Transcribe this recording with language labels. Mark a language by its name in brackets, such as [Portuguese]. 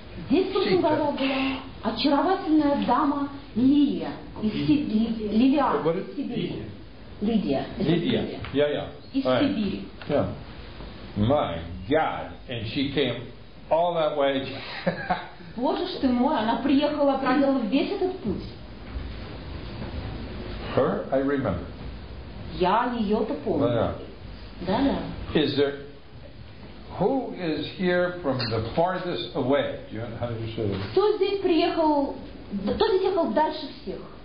[Russian] Здесь в прошлом году была очаровательная дама Лилия из Сибири. Лидия. Из Сибири. [English] My God, and she came all that way. [Russian] Боже ж ты мой, она приехала, проделала весь этот путь. [English] Her, I remember. [Russian] Я ее-то помню. Да-да. Да-да. [English] Is there, who is here from the farthest away? Do you know how to say that? [Russian] Кто здесь приехал, кто здесь ехал дальше всех?